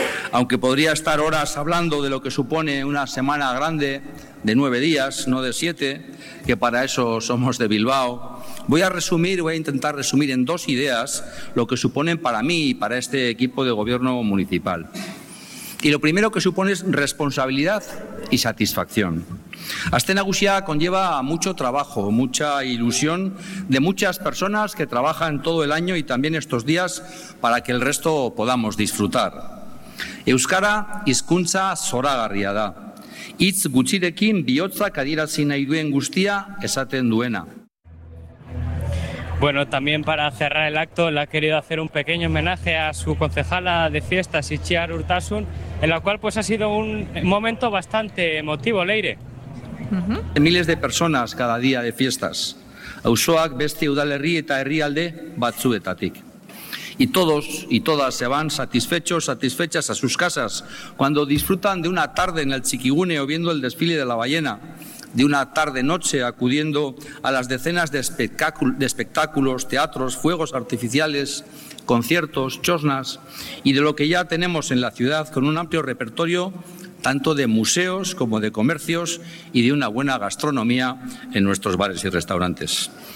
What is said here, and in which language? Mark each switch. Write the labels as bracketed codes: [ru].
[es] Aunque podría estar horas hablando de lo que supone una semana grande de 9 días, no de 7, que para eso somos de Bilbao, voy a intentar resumir en 2 ideas lo que suponen para mí y para este equipo de gobierno municipal. Y lo primero que supone es responsabilidad y satisfacción. Aste Nagusia conlleva mucho trabajo, mucha ilusión de muchas personas que trabajan todo el año y también estos días para que el resto podamos disfrutar. [eu] Euskara hizkuntza zoragarria da. Hitz gutxirekin bihotzak adierazi nahi duen guztia esaten duena. [es] Bueno, también para cerrar el acto le ha querido hacer un pequeño homenaje a su concejala de fiestas, Itziar Urtasun, en la cual pues ha sido un momento bastante emotivo, Leire. Uh-huh. Miles de personas cada día de fiestas. [eu] Auzoak beste udalerri eta herrialde batzuetatik. [es] Y todos y todas se van satisfechos, satisfechas a sus casas cuando disfrutan de una tarde en el Txikigune o viendo el desfile de la ballena, de una tarde-noche acudiendo a las decenas de espectáculos, teatros, fuegos artificiales, conciertos, chosnas y de lo que ya tenemos en la ciudad con un amplio repertorio tanto de museos como de comercios y de una buena gastronomía en nuestros bares y restaurantes.